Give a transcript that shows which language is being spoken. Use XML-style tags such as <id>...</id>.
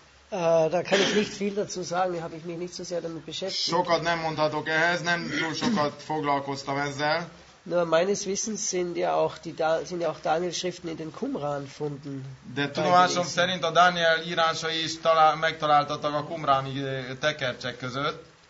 <de>Da kann ich nicht viel dazu sagen, da habe ich mich nicht so sehr damit beschäftigt.</de> <hu>Sokat nem mondhatok ehhez, nem túl sokat foglalkoztam ezzel.</hu> <de>Nur meines Wissens sind ja auch Daniel Schriften in den Qumran Funden.</de> <hu>De tudomásom szerint a Daniel írásai is megtaláltatak a Qumrani tekercsek között.</hu>